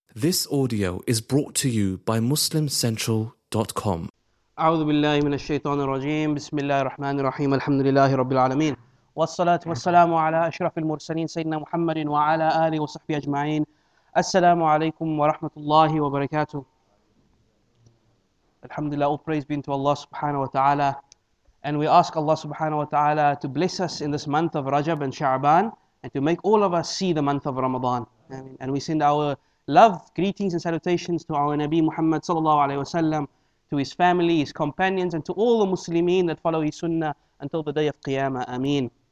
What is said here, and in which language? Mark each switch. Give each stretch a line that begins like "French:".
English: This audio is brought to you by MuslimCentral.com.
Arabic: أعوذ بالله من الشيطان الرجيم. بسم الله الرحمن الرحيم. الحمد لله رب العالمين. والصلاة والسلام على أشرف المرسلين سيدنا محمد وعلى آله وصحبه أجمعين. السلام عليكم ورحمة الله وبركاته. الحمد لله.
English: All praise be to Allah سبحانه وتعالى. And we ask Allah subhanahu wa ta'ala to bless us in this month of Rajab and Sha'ban and to make all of us see the month of Ramadan. And we send our love, greetings and salutations to our Nabi Muhammad sallallahu alayhi wa sallam, to his family, his companions, and to all the Muslimin that follow his sunnah until the day of Qiyamah. Ameen.